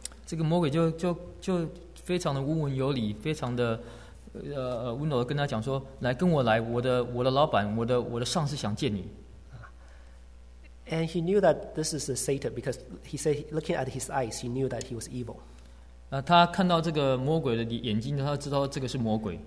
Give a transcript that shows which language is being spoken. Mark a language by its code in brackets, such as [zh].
[zh] 这个魔鬼就非常的温文有礼，非常的温柔地跟他讲说，来跟我来，我的老板，我的上司想见你。 [en] And he knew that this is Satan because he said, looking at his eyes, he knew that he was evil. [zh] 他看到这个魔鬼的眼睛，他知道这个是魔鬼。